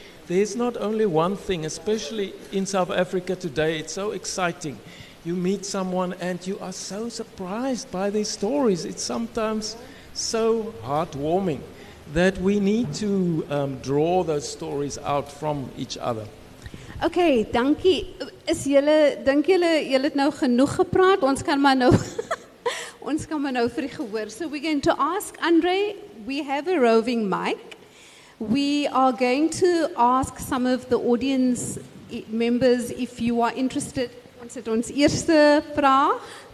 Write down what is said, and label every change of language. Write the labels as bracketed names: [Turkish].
[English] There's not only one thing, especially in South Africa today, it's so exciting. You meet someone and you are so surprised by their stories. It's sometimes so heartwarming that we need to draw those stories out from each other. [Afrikaans] Okay, dankie. Is julle, dink julle, julle het nou genoeg gepraat? Ons kan maar nou ons kan maar nou vir die gehoor. [English] So we're going to ask Andre, we have a roving mic. We are going to ask some of the audience members if you are interested. [Afrikaans] Ons het ons eerste vraag.